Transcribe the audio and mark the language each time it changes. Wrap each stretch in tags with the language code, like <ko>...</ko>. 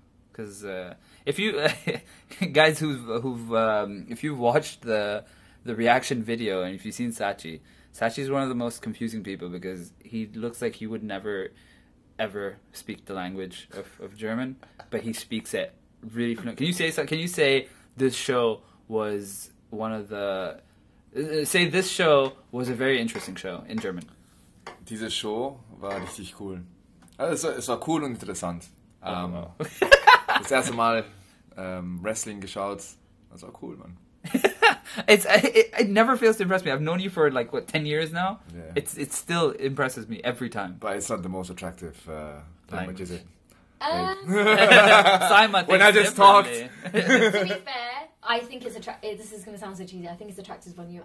<en>Because if you guys who've if you've watched the reaction video and if you've seen Sachi's one of the most confusing people, because he looks like he would never ever speak the language of German, but he speaks it really fluent. Can you say this show was one of the say this show was a very interesting show in German?</en> <de>Diese Show war richtig cool. Also, es war cool und interessant. Das erste Mal Wrestling geschaut. Das war cool, man.</de> <en>it never fails to impress me. I've known you for like, what, 10 years now? Yeah. It still impresses me every time. But it's not the most attractive language, is it? Simon, when I just talked. To be fair, I think this is going to sound so cheesy. I think it's attractive on you.</en>